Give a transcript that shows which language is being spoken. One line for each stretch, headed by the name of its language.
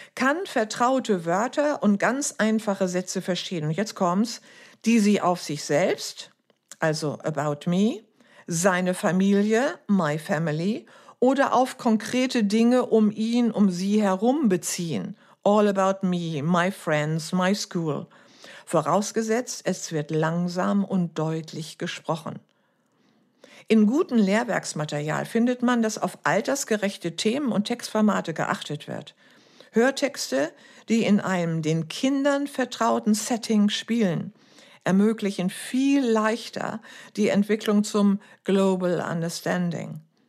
German: Kann vertraute Wörter und ganz einfache Sätze verstehen. Und jetzt kommt's, die sie auf sich selbst, also
English: about me,
German: seine Familie,
English: my family,
German: oder auf konkrete Dinge um ihn, um sie herum beziehen,
English: All about me, my friends, my school.
German: Vorausgesetzt, es wird langsam und deutlich gesprochen. In gutem Lehrwerksmaterial findet man, dass auf altersgerechte Themen und Textformate geachtet wird. Hörtexte, die in einem den Kindern vertrauten Setting spielen, ermöglichen viel leichter die Entwicklung zum Global Understanding.